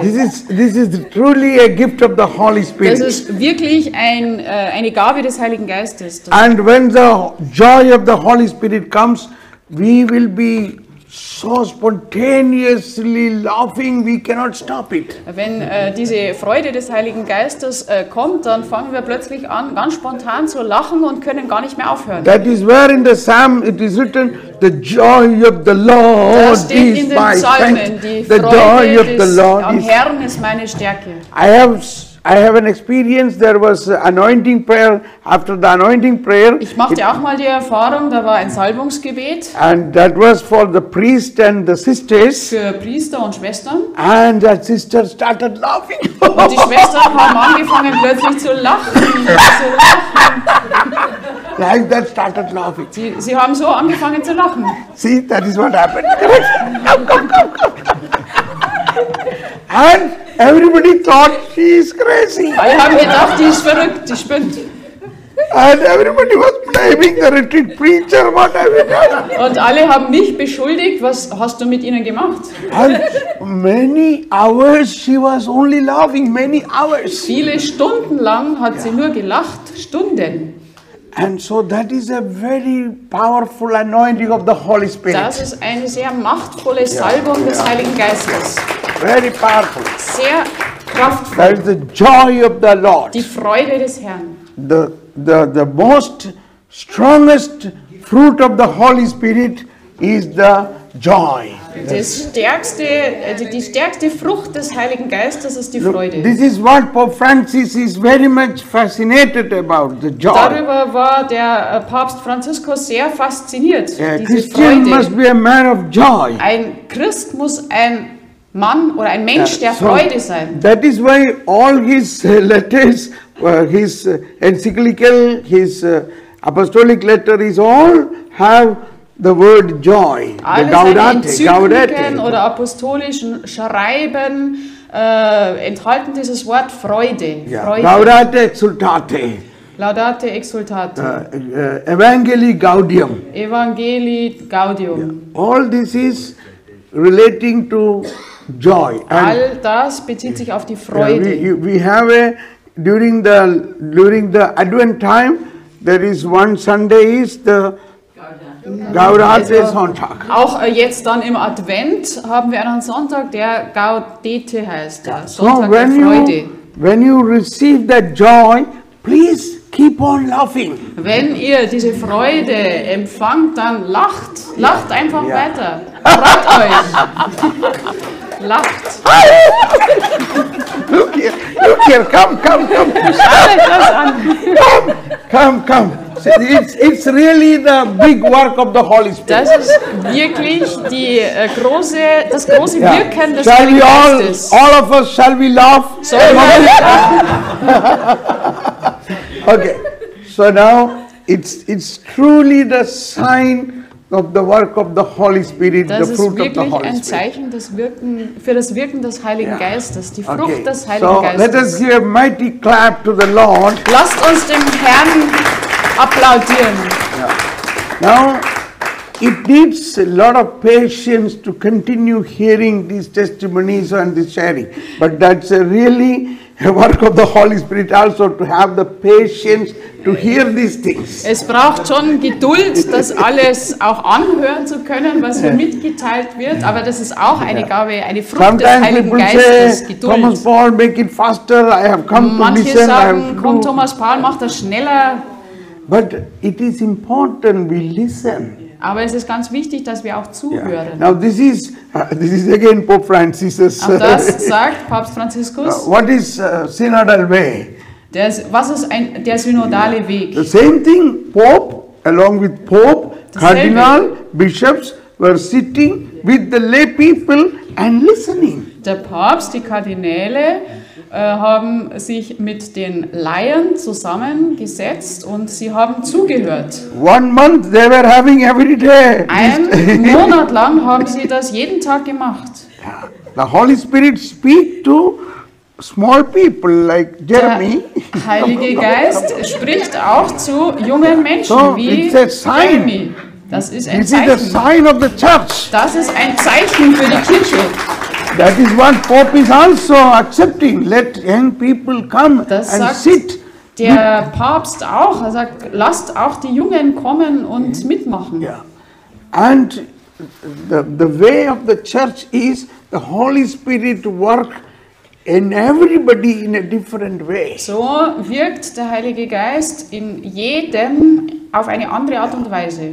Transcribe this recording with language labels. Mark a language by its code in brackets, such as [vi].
[en] This is truly a gift of the Holy Spirit. [de] Das ist wirklich eine Gabe des Heiligen Geistes. [en] And when the joy of the Holy Spirit comes, we will be so spontaneously laughing, we cannot stop it. [de] Wenn diese Freude des Heiligen Geistes kommt, dann fangen wir plötzlich an, ganz spontan zu lachen und können gar nicht mehr aufhören. [en] That is where in the Psalm it is written, the joy of the Lord is my strength. [de] Die Freude des Herrn ist meine Stärke. [en] I have I have an experience, there was anointing prayer, after the anointing prayer. [de] Ich machte auch mal die Erfahrung, da war ein Salbungsgebet. [en] And that was for the priest and the sisters. [de] Für Priester und Schwestern. [en] And the sister started laughing. [de] Und die Schwestern haben angefangen plötzlich zu lachen. Zu lachen. [en] Like that started laughing. [de] Sie haben so angefangen zu lachen. [en] See, that is what happened. Come, come, come, come. And everybody thought she is crazy. [de] Alle haben gedacht, die ist verrückt, die spinnt. [en] And everybody was blaming the retreat preacher, what have you done? [de] Und alle haben mich beschuldigt, was hast du mit ihnen gemacht? [en] And many hours she was only laughing, many hours. [de] Viele Stunden lang hat sie nur gelacht, Stunden. [en] And so that is a very powerful anointing of the Holy Spirit. [de] Das ist eine sehr machtvolle Salbung des Heiligen Geistes. [en] Very powerful. [de] Sehr kraftvoll. [en] That is the joy of the Lord. [de] Die Freude des Herrn. [en] The most strongest fruit of the Holy Spirit is the joy. [de] Die stärkste Frucht des Heiligen Geistes ist die Freude. [en] This is what Pope Francis is very much fascinated about, the joy. [de] Darüber war der Papst Franziskus sehr fasziniert. [en] Christian must be a man of joy. [de] Ein Christ muss ein Mann oder ein Mensch der Freude sein. [en] That is why all his letters, his encyclical, his apostolic letter is all have the word joy. [de] Alle seine Enzykliken oder apostolischen Schreiben enthalten dieses Wort Freude. Freude. [la] Laudate exultate. Laudate exultate. Evangelii Gaudium. Evangelii Gaudium. [en] Yeah. All this is relating to joy. And all [de] das bezieht sich auf die Freude. [en] We have a during the Advent time, there is one Sunday is the Gaudete Sonntag. [de] Auch jetzt dann im Advent haben wir einen Sonntag, der Gaudete heißt. Der Sonntag [en] so when [de] der Freude. [en] When you receive that joy, please keep on laughing. [de] Wenn ihr diese Freude empfangt, dann lacht. Lacht einfach weiter. Freut euch. Lacht. [en] Look here, come, come, come. [de] Schau euch das an. [en] Come, come, come. It's really the big work of the Holy Spirit. [de] Das ist wirklich das große Wirken des Heiligen Geistes. [en] All of us, shall we laugh? Sorry. Okay. So now it's truly the sign of the work of the Holy Spirit, [de] das [en] the fruit of the Holy Spirit. [de] Das ist wirklich ein Zeichen für das Wirken des Heiligen Geistes, die Frucht des Heiligen [en] so [de] Geistes. [en] Let us give a mighty clap to the Lord. [de] Lasst uns dem Herrn applaudieren. [en] Now, it needs a lot of patience to continue hearing these testimonies and this sharing. But that's really a work of the Holy Spirit also to have the patience to hear these things. [de] Es braucht schon Geduld, das alles auch anhören zu können, was hier mitgeteilt wird. Aber das ist auch eine Gabe, eine Frucht [en] Sometimes [de] des Heiligen Geistes. [en] Say, Thomas Paul, make it faster. I have come [de] Manche [en] to listen. [de] Manche sagen, [en] I have [de] komm, Thomas Paul, mach das schneller. [en] But it is important we listen. [de] Aber es ist ganz wichtig, dass wir auch zuhören. [en] Yeah. Now this is again Pope Francis. [de] Das sagt Papst Franziskus. [en] What is synodal way? [de] Der synodale Weg. [en] The same thing. Pope along with Pope, das Cardinal, Bishops were sitting with the lay people and listening. [de] Der Papst, die Kardinäle haben sich mit den Laien zusammengesetzt und sie haben zugehört. [en] One month they were having every day. [de] Einen Monat lang haben sie das jeden Tag gemacht. [en] The Holy Spirit speak to small people like Jeremy. [de] Der Heilige Geist spricht auch zu jungen Menschen wie Jeremy. Das ist ein Zeichen. [en] This is a sign of the church. [de] Das ist ein Zeichen für die Kirche. [en] That is what Pope is also accepting. Let young people come [de] das [en] and [de] sagt [en] sit. [de] Der Papst auch. Er sagt, lasst auch die Jungen kommen und mitmachen. [en] Yeah. And the way of the church is the Holy Spirit work in everybody in a different way. [de] So wirkt der Heilige Geist in jedem auf eine andere Art und Weise.